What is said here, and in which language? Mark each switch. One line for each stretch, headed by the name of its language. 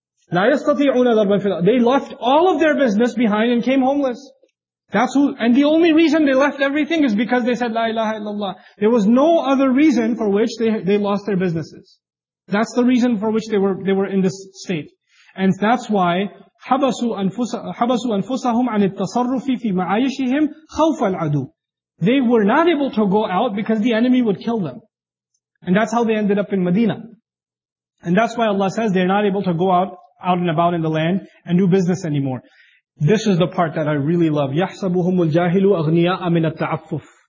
Arabic: لَا يَسْتَطِعُونَ ضَرْبًا فِي الْأَرْضِ.
English: They left all of their business behind and came homeless. That's who, and the only reason they left everything is because they said,
Arabic: لا إله إلا الله.
English: There was no other reason for which they lost their businesses. That's the reason for which they were in this state. And that's why,
Arabic: حَبَسُوا أَنفُسَهُمْ عَنِ التَّصَرُّفِ فِي مَعَايِشِهِمْ خَوْفَ الْعَدُوِ.
English: They were not able to go out because the enemy would kill them. And that's how they ended up in Medina. And that's why Allah says they're not able to go out and about in the land and do business anymore. This is the part that I really love.
Arabic: يَحْسَبُهُمُ الْجَاهِلُ أَغْنِيَاءَ مِنَ التَّعَفُّفِ.